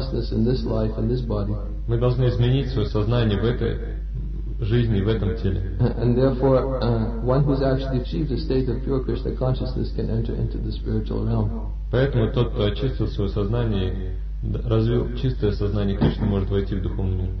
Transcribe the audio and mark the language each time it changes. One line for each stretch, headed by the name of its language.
Russian: Мы должны изменить свое сознание в этой жизни, в этом теле.
English: And therefore, one who's actually achieved a state of pure Krishna consciousness can enter into the spiritual realm.
Russian: Поэтому тот, кто очистил свое сознание, развил чистое сознание Кришны, может войти в духовный мир.